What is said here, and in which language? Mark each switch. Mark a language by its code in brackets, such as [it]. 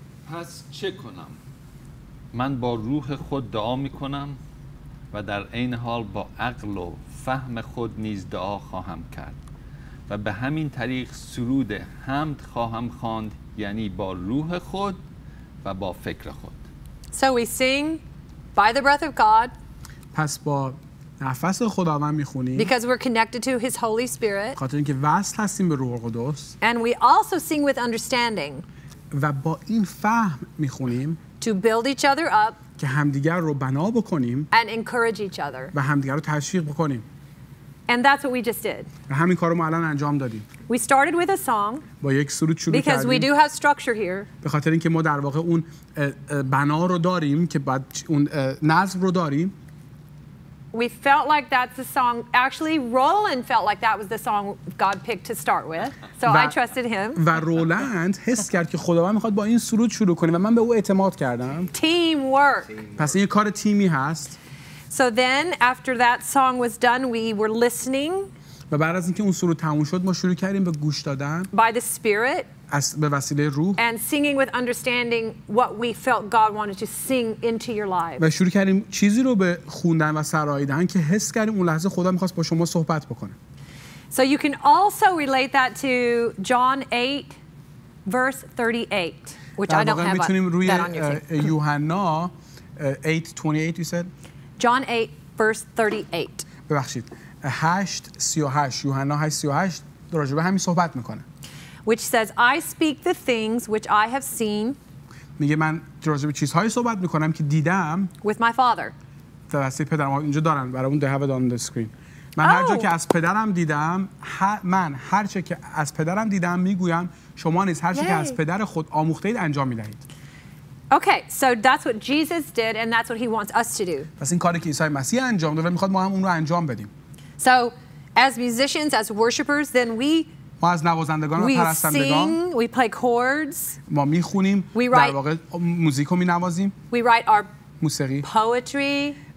[fa] پس چه کنم من با روح خود دعا می کنم و در این حال با عقل و فهم خود نیز دعا خواهم کرد و به همین طریق سرود حمد خواهم خواند یعنی با روح خود و با فکر خود [en] So we sing by the breath of God [fa] پس با نفس خداوند می خونیم [en] Because we're connected to his Holy Spirit [fa] خاطر اینکه وصل هستیم به روح القدس [en] And we also sing with understanding [fa] و با این فهم می خونیم [en] To build each other up [fa] که همدیگر رو بنا بکنیم [en] and encourage each other [fa] و همدیگر رو تشویق بکنیم [en] and that's what we just did [fa] و همین کار رو ما الان انجام دادیم [en] we started with a song [fa] با یک سرود شروع کردیم [en] because we do have structure here [fa] به خاطر اینکه ما در واقع اون بنا رو داریم که بعد اون نظم رو داریم [en] we felt like that's the song actually Roland felt like that was the song God picked to start with so I trusted him [fa] و رولند حس کرد که خداوند میخواد با این سرود شروع کنه و من به او اعتماد کردم [en] team work [fa] پس این کار تیمی هست [en] so then after that song was done we were listening [fa] و بعد از اینکه اون سرود تموم شد ما شروع کردیم به گوش دادن [en] by the spirit [fa] از به وسیله روح [en] and singing with understanding what we felt God wanted to sing into your life [fa] و شروع کردیم چیزی رو به خوندن و سرائیدن که حس کردیم اون لحظه خدا میخواست با شما صحبت بکنه [en] so you can also relate that to John 8 verse 38 which I don't have [fa] میتونیم روی یوحنا 8:28 [en] you said John 8 verse 38 [fa] ببخشید 8:38 یوحنا 8:38 در رابطه همین صحبت میکنه [en] which says I speak the things which I have seen [fa] میگه من در رابطه چیزهایی صحبت میکنم که دیدم [en] with my father [fa] در واسه پدرم اینجا دارن برای اون [en] they have it on the screen [fa] من هر جا که از پدرم دیدم من هر چه که از پدرم دیدم میگویم شما نیز هر چه که از پدر خود آموختید انجام میدهید [en] Okay, so that's what Jesus did, and that's what he wants us to do. [fa] پس این کاری که عیسی مسیح انجام داد و میخواد ما هم اون رو انجام بدیم. [en] So, as musicians, as worshippers, then we [fa] ما از نوازندگان و پرستندگان [en] we sing, we play chords. [fa] ما میخونیم. [en] We write. [fa] در واقع موزیک رو مینوازیم. [en] We write our [fa] موسیقی. [en] Poetry.